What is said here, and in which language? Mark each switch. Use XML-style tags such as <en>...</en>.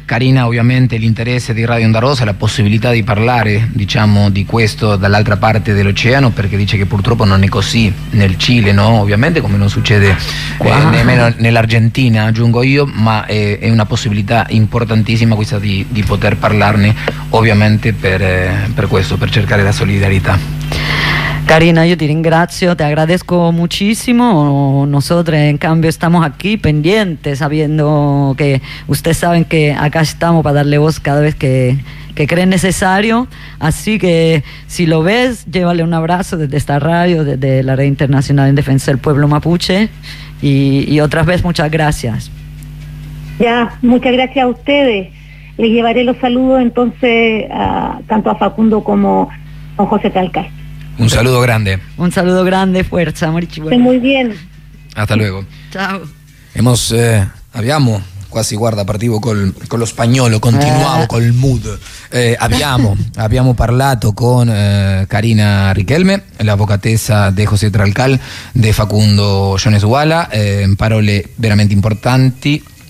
<it>Carina, ovviamente l'interesse di Radio Onda Rossa, la possibilità di parlare, diciamo, di questo dall'altra parte dell'oceano, perché dice che purtroppo non è così nel Cile, no? Ovviamente, come non succede nemmeno nell'Argentina, aggiungo io, ma è una possibilità importantissima questa di poter parlarne, ovviamente per questo, per cercare la solidarietà.</it> <es>Carina, yo te</es> <it>ringrazio,</it> <es>te agradezco muchísimo. Nosotros en cambio estamos aquí pendientes, sabiendo que ustedes saben que acá estamos para darle voz cada vez que creen necesario. Así que si lo ves, llévale un abrazo desde esta radio, desde la Red Internacional en Defensa del Pueblo Mapuche, y otra vez muchas gracias. Ya, muchas gracias a ustedes. Les llevaré los saludos entonces tanto a Facundo como a José Talcal. Un saludo grande. Un saludo grande, fuerza, Marichi. Estoy muy bien. Hasta luego. Chao.</es> <it>Abbiamo quasi guarda partivo con lo spagnolo, continuavo col mood. Abbiamo parlato con Carina Riquelme, l'avvocatessa di José Tralcal, di Facundo Jones Uguala, parole veramente importanti.</it>